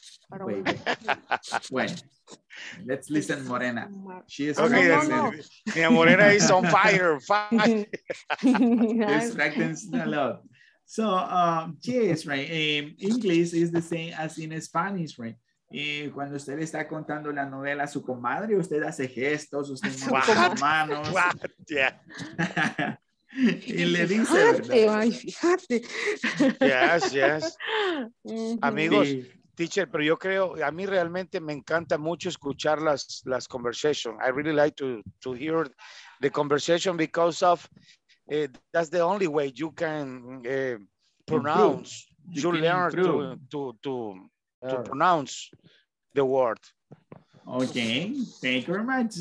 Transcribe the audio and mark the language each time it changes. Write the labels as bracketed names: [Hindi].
[English] Wait. Well, let's listen, Morena. She is okay, no, no, no. Yeah, Morena is on fire. Distractions a lot. So, yes, right. English is the same as in Spanish, right? [Spanish] Y cuando usted le está contando la novela a su comadre, usted hace gestos, usted mueve sus manos. [English] What? Yeah. [Spanish] Y le dice, fíjate, ay, fíjate. [English] Yes, yes. [Spanish] Amigos. Sí. Teacher, pero yo creo, a mí realmente me encanta mucho escuchar las conversations. [English] I really like to hear the conversation because of, that's the only way you can pronounce, you learn to pronounce the word. Okay, thank you very much.